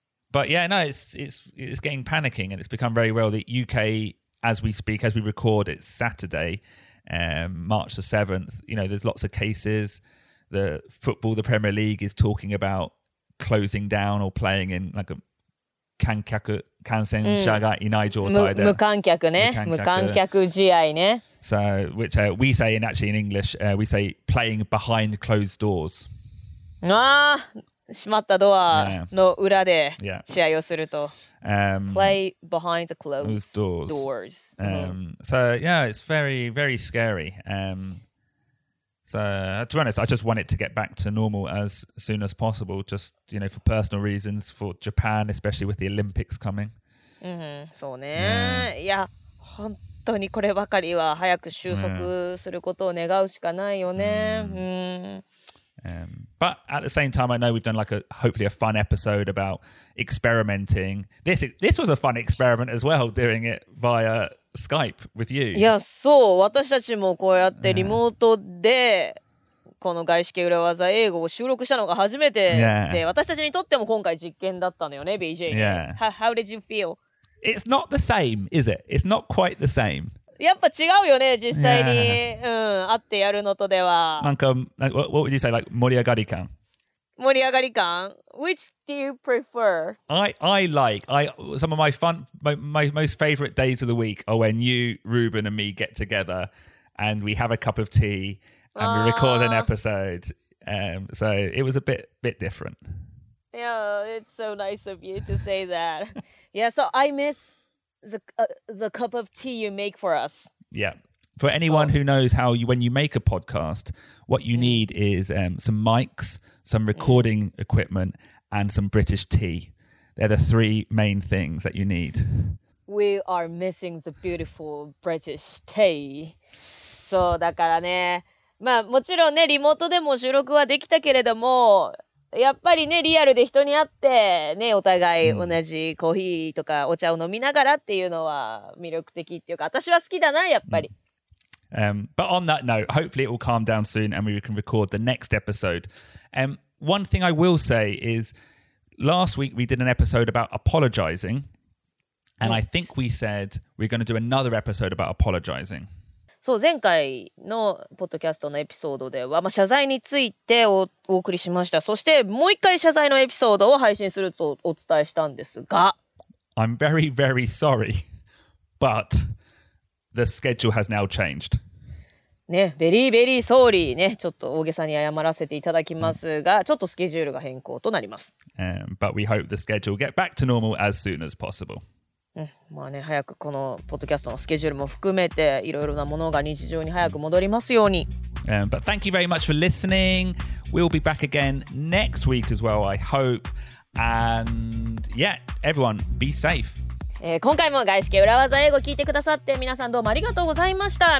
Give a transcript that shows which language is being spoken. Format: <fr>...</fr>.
<en>But yeah, no, it's getting panicking and it's become very real. The UK, as we speak, as we record, it's Saturday, March the 7th. You know, there's lots of cases. The football, the Premier League is talking about closing down or playing in like a...</en> <ja>観客感染者がいない状態で、無観客ね、無観客試合ね。</ja> <en>So which we say in actually in English, we say playing behind closed doors.</en> <ja>ああ、閉まったドアの裏で試合をすると、</ja> <en>play behind the closed doors. So yeah, it's very very scary. So to be honest, I just want it to get back to normal as soon as possible, just, you know, for personal reasons, for Japan, especially with the Olympics coming.</en> <ja>そうね。いや、本当にこればかりは早く収束することを願うしかないよね。</ja> <en>But at the same time, I know we've done like a hopefully a fun episode about experimenting. This was a fun experiment as well, doing it via Skype with you.</en> <ja>いや、そう。私たちもこうやってリモートでこの外資系裏技英語を収録したのが初めてで、私たちにとっても今回実験だったのよね、BJ。</ja> <en>Yeah. How did you feel? It's not the same, is it? It's not quite the same.</en> <ja>やっぱ違うよね、実際に、会ってやるのとでは。</ja> <en>なんか、what would you say, like, 盛り上がり感? 盛り上がり感?Which do you prefer? I like, some of my most favorite days of the week are when you, Ruben, and me get together and we have a cup of tea and we record an episode. So it was a bit different. Yeah, it's so nice of you to say that. Yeah, so I missThe cup of tea you make for us. Yeah. For anyone who knows how you, when you make a podcast, what you need is some mics, some recording equipment, and some British tea. They're the three main things that you need. We are missing the beautiful British tea.</en> <ja>So, だからね、まあもちろんね、リモートでも収録はできたけれども、やっぱりね、リアルで人に会ってね、お互い同じコーヒーとかお茶を飲みながらっていうのは魅力的っていうか、私は好きだな、やっぱり。</ja> <en>But on that note, hopefully it will calm down soon and we can record the next episode. One thing I will say is, last week we did an episode about apologizing, and I think we said we're going to do another episode about apologizing.</en> <ja>そう、前回のポッドキャストのエピソードでは、まあ、謝罪についてお送りしました。そしてもう一回謝罪のエピソードを配信するとお伝えしたんですが、</ja> <en>I'm very very sorry but the schedule has now changed</en> <ja>ね、ベリーベリーソーリーね、ちょっと大げさに謝らせていただきますが、ちょっとスケジュールが変更となります。</ja> <en>But we hope the schedule will get back to normal as soon as possible.</en> <ja>まあね、早くこのポッドキャストのスケジュールも含めて、いろいろなものが日常に早く戻りますように。</ja> <en>But thank you very much for listening. We'll be back again next week as well, I hope. And yeah, everyone, be safe.</en> <ja>今回も外資系裏技英語聞いてくださって皆さんどうもありがとうございました。</ja>